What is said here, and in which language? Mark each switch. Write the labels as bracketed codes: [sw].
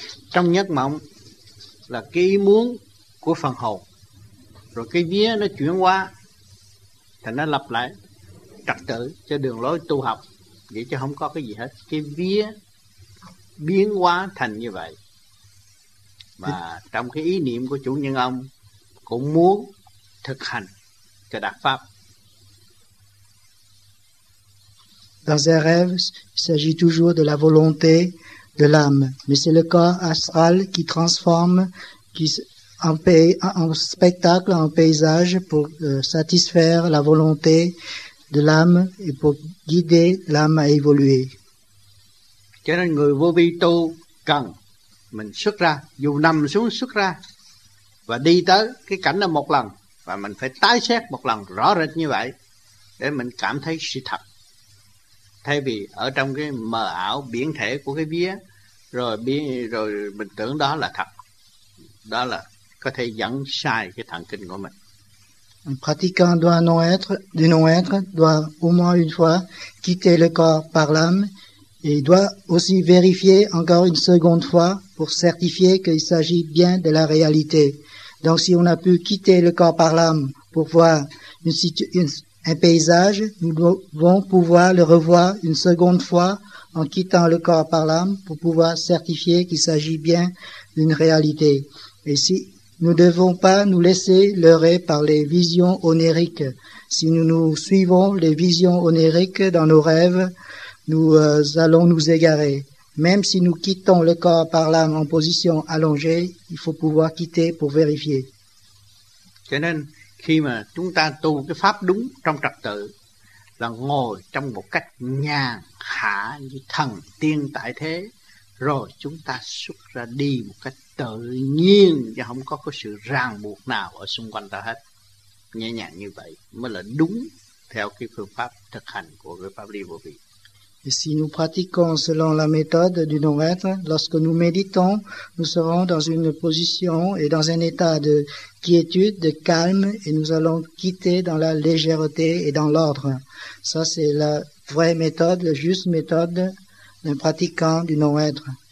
[vi] Trong giấc mộng là cái ý muốn của phần hồn, rồi cái vía nó chuyển qua thì nó lặp lại trật tự cho đường lối tu học. Vậy chứ không có cái gì hết. Cái vía biến hóa thành như vậy. Mà trong cái ý niệm của chủ nhân ông cũng muốn thực hành cho đạt pháp. [fr] Dans un rêve, il s'agit toujours de la volonté de l'âme. Mais c'est le corps astral qui transforme en spectacle, en paysage pour satisfaire la volonté de l'âme et pour guider l'âme à évoluer. [vi] Cho nên người vô vi tu cần mình xuất ra, dù nằm xuống xuất ra và đi tới cái cảnh đó một lần, và mình phải tái xét một lần rõ rệt như vậy để mình cảm thấy sự thật. Thay vì ở trong cái mờ ảo biển thể của cái vía rồi mình tưởng đó là thật. Đó là có thể dẫn sai cái thần kinh của mình. [fr] Un pratiquant doit non-être doit au moins une fois quitter le corps par l'âme et doit aussi vérifier encore une seconde fois pour certifier qu'il s'agit bien de la réalité. Donc si on a pu quitter le corps par l'âme pour voir un paysage, nous devons pouvoir le revoir une seconde fois en quittant le corps par l'âme pour pouvoir certifier qu'il s'agit bien d'une réalité. Et si nous ne devons pas nous laisser leurrer par les visions onériques. Si nous nous suivons les visions onériques dans nos rêves, nous allons nous égarer. Même si nous quittons le corps par l'âme en position allongée, il faut pouvoir quitter pour vérifier. [vi] Cho nên, khi mà chúng ta tu cái pháp đúng trong trật tự, là ngồi trong một cách nhàn hạ như thần tiên tại thế, rồi chúng ta xuất ra đi một cách tự nhiên, chứ không có sự ràng buộc nào ở xung quanh ta hết. Nhẹ nhàng như vậy mới là đúng theo cái phương pháp thực hành của cái pháp lý vô vi. [fr] Et si nous pratiquons selon la méthode du non-être, lorsque nous méditons, nous serons dans une position et dans un état de quiétude, de calme, et nous allons quitter dans la légèreté et dans l'ordre. Ça, c'est la vraie méthode, la juste méthode d'un pratiquant du non-être.